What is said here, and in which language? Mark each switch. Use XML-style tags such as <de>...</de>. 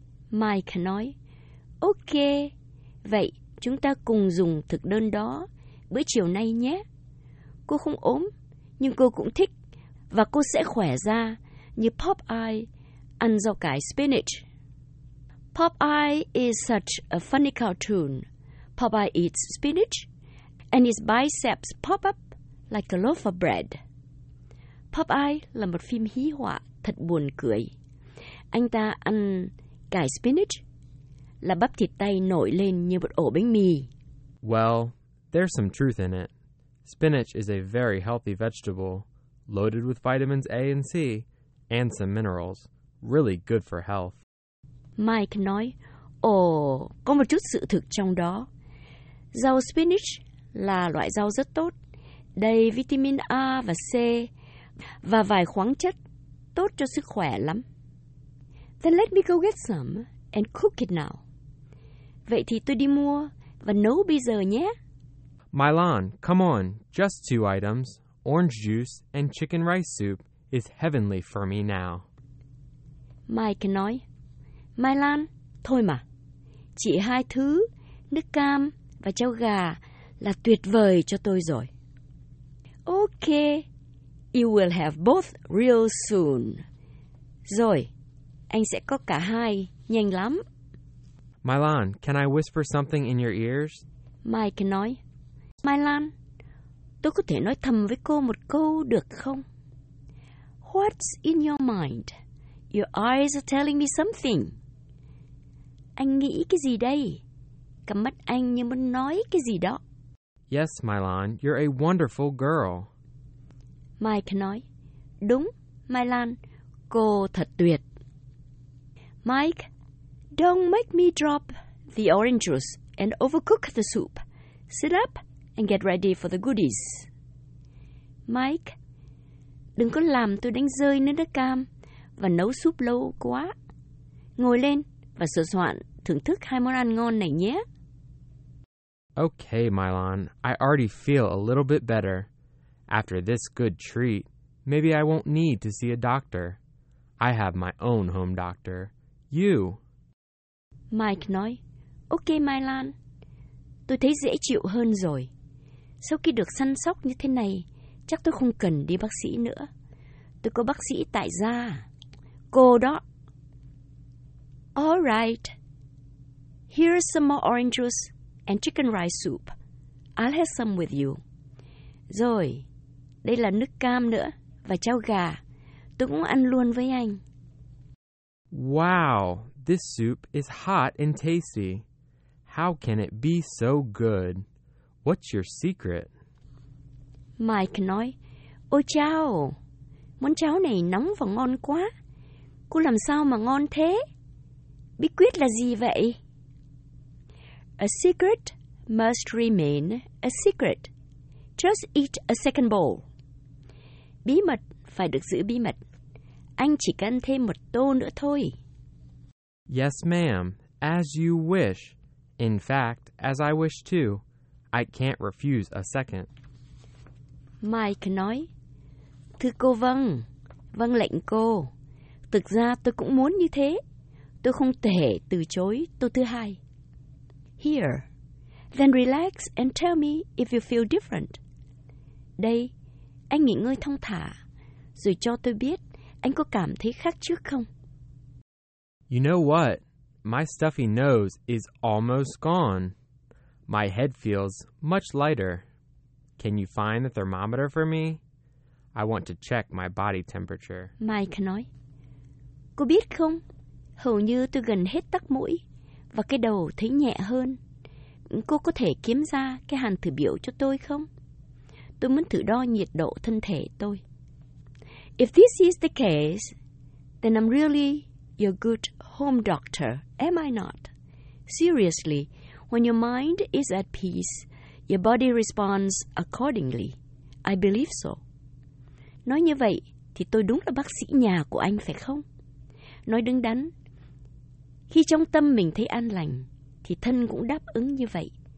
<vi>Mike nói, okay. Vậy, chúng ta cùng dùng thực đơn đó bữa chiều nay nhé. Cô không ốm, nhưng cô cũng thích và cô sẽ khỏe ra như Popeye ăn rau cải spinach.</vi> <en>Popeye is such a funny cartoon. Popeye eats spinach, and his biceps pop up like a loaf of bread.</en> <vi>Popeye là một phim hí họa thật buồn cười. Anh ta ăn cải spinach, là bắp thịt tay nổi lên như một ổ bánh mì.</vi> <en>Well, there's some truth in it. Spinach is a very healthy vegetable, loaded with vitamins A and C, and some minerals. Really good for health.</en> <vi>Mike nói, ồ, có một chút sự thực trong đó. Rau spinach là loại rau rất tốt, đầy vitamin A và C, và vài khoáng chất, tốt cho sức khỏe lắm.</vi> <en>Then let me go get some and cook it now.</en> <vi>Vậy thì tôi đi mua và nấu bây giờ nhé.</vi> <en>Mylon, come on, just two items, orange juice and chicken rice soup is heavenly for me now.</en> <vi>Mike nói, Mylon, thôi mà, chỉ hai thứ, nước cam và cháo gà là tuyệt vời cho tôi rồi.</vi> <en>Okay, you will have both real soon.</en> <vi>Rồi, anh sẽ có cả hai, nhanh lắm.</vi> <en>Mylon, can I whisper something in your ears?</en> <vi>Mike nói, Mylon, tôi có thể nói thầm với cô một câu được không?</vi> <en>What's in your mind? Your eyes are telling me something.</en> <vi>Anh nghĩ cái gì đây? Cặp mắt anh như muốn nói cái gì đó.</vi> <en>Yes, Mylon, you're a wonderful girl.</en> <vi>Mike nói, đúng, Mylon, cô thật tuyệt.</vi> <en>Mike, don't make me drop the orange juice and overcook the soup. Sit up and get ready for the goodies.</en> <vi>Mike, đừng có làm tôi đánh rơi nước đất cam và nấu súp lâu quá. Ngồi lên và sửa soạn thưởng thức hai món ăn ngon này nhé.</vi> <en>Okay, Mylon, I already feel a little bit better. After this good treat, maybe I won't need to see a doctor. I have my own home doctor. You.</en> <vi>Mike nói, ok Mylon, tôi thấy dễ chịu hơn rồi. Sau khi được săn sóc như thế này, chắc tôi không cần đi bác sĩ nữa. Tôi có bác sĩ tại gia, cô đó.</vi> <en>Alright, here's some more orange juice and chicken rice soup. I'll have some with you.</en> <vi>Rồi, đây là nước cam nữa và cháo gà. Tôi cũng ăn luôn với anh.</vi> <en>Wow, this soup is hot and tasty. How can it be so good? What's your secret?</en> <vi>Mike nói, ôi chao, món cháo này nóng và ngon quá. Cô làm sao mà ngon thế? Bí quyết là gì vậy?</vi> <en>A secret must remain a secret. Just eat a second bowl.</en> <vi>Bí mật phải được giữ bí mật. Anh chỉ cần thêm một tô nữa thôi.</vi> <en>Yes, ma'am. As you wish. In fact, as I wish too. I can't refuse a second.</en> <vi>Mike nói, thưa cô vâng, vâng lệnh cô. Thực ra tôi cũng muốn như thế. Tôi không thể từ chối tô thứ hai.</vi> <en>Here. Then relax and tell me if you feel different.</en> <vi>Đây, anh nghỉ ngơi thong thả, rồi cho tôi biết anh có cảm thấy khác trước không?</vi> <en>You know what? My stuffy nose is almost gone. My head feels much lighter. Can you find the thermometer for me? I want to check my body temperature. Mike</en> <vi>nói, cô biết không? Hầu như tôi gần hết tắc mũi và cái đầu thấy nhẹ hơn. Cô có thể kiếm ra cái hàn thử biểu cho tôi không? Tôi muốn thử đo nhiệt độ thân thể tôi.</vi> <en>If this is the case, then I'm really your good home doctor, am I not? Seriously, when your mind is at peace, your body responds accordingly. I believe so.</en> <vi>Nói như vậy, thì tôi đúng là bác sĩ nhà của anh phải không? Nói đứng đắn, khi trong tâm mình thấy an lành, thì thân cũng đáp ứng như vậy.</vi>